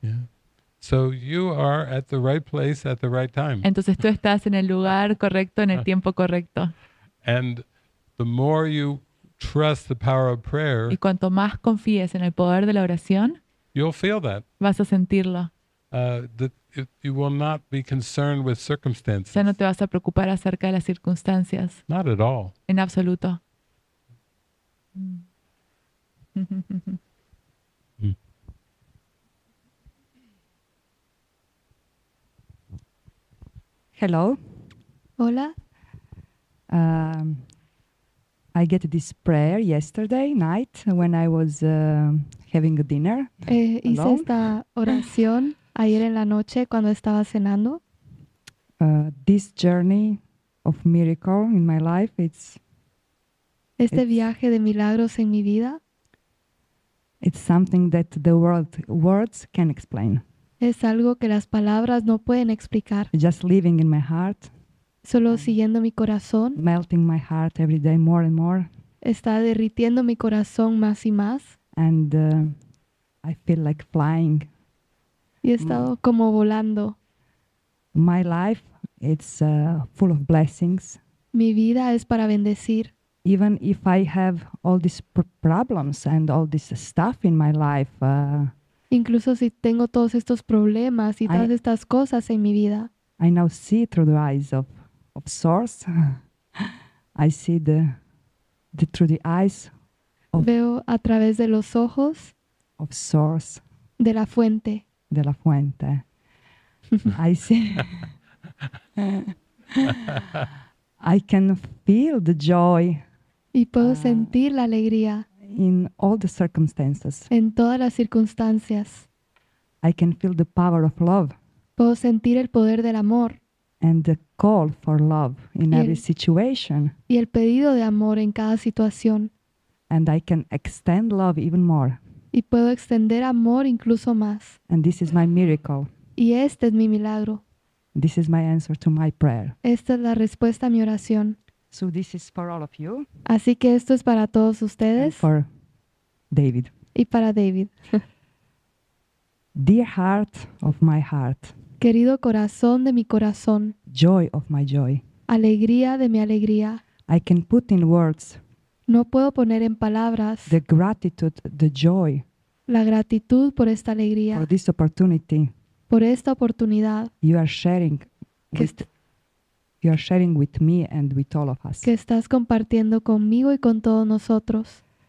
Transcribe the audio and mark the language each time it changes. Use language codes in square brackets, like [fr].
[en] Yeah. So you are at the right place at the right time. [es] Entonces tú estás en el lugar correcto en el tiempo correcto. [en] And the more you trust the power of prayer. [es] Y cuanto más confíes en el poder de la oración. [en] You'll feel that. [es] Vas a sentirlo. [en] You will not be concerned with circumstances. [es] Ya no te vas a preocupar acerca de las circunstancias. [en] Not at all. [es] En absoluto. [en] Hello. [es] Hola. [en] I get this prayer yesterday night when I was having a dinner. [es] Hice esta oración ayer en la noche cuando estaba cenando. [en] This journey of miracle in my life, [es] it's viaje de milagros en mi vida. [en] It's something that the words can explain. [es] Es algo que las palabras no pueden explicar. [en] Just living in my heart. [es] Solo siguiendo mi corazón. [en] Melting my heart every day more and more. [es] Está derritiendo mi corazón más y más. [en] And I feel like flying. [es] Y he estado como volando. [en] My life, it's full of blessings. [es] Mi vida es para bendecir. [en] Even if I have all these problems and all this stuff in my life. [es] Incluso si tengo todos estos problemas y todas estas cosas en mi vida. [en] I now see through the eyes of source. I see the through the eyes of, [es] veo a través de los ojos [en] of source, [es] de la fuente, de la fuente. [en] I see. I can feel the joy. [es] Y puedo sentir la alegría [en] in all the circumstances. [es] En todas las circunstancias. [en] I can feel the power of love. [es] Puedo sentir el poder del amor. [en] And the call for love in every situation. [es] Y el pedido de amor en cada situación. [en] And I can extend love even more. [es] Y puedo extender amor incluso más. [en] And this is my miracle. [es] Y este es mi milagro. [en] This is my answer to my prayer. [es] Esta es la respuesta a mi oración. [en] So this is for all of you. [es] Así que esto es para todos ustedes. [en] And for David. [es] Y para David. [en] Dear heart of my heart. [es] Querido corazón de mi corazón. [en] Joy of my joy. [es] Alegría de mi alegría. [en] I can put in words. [es] No puedo poner en palabras. [en] The gratitude, the joy. [es] La gratitud por esta alegría. [en] For this opportunity. [es] Por esta oportunidad. [en] You are sharing. You are sharing with me and with all of us. [es] Que estás compartiendo conmigo y con todos nosotros.